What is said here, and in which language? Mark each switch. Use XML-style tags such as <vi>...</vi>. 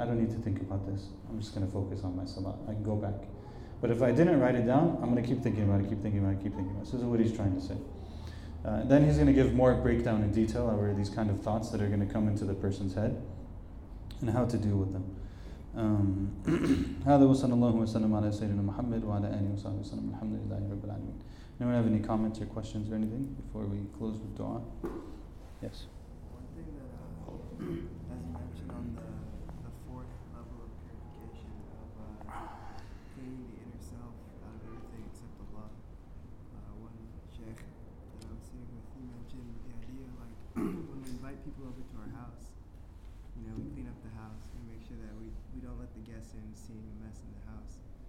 <en>I don't need to think about this. I'm just going to focus on my salat. I can go back. But if I didn't write it down, I'm going to keep thinking about it, keep thinking about it, keep thinking about it. This is what he's trying to say. Then he's going to give more breakdown in detail over these kind of thoughts that are going to come into the person's head and how to deal with them.</en> <ar>هذا وصلى الله وسلم على سيدنا محمد وعلى آله وصحبه وسلم الحمد لله رب العالمين.</ar> <en>Anyone have any comments or questions or anything before we close with dua? Yes. One thing that, as you mentioned on the fourth level of purification of cleaning the inner self out of everything except Allah, one sheikh that I was sitting with, he mentioned the idea of, like, when we invite people over to our house, you know, we clean up the house and make sure that we don't let the guests in seeing a mess in the house.</en>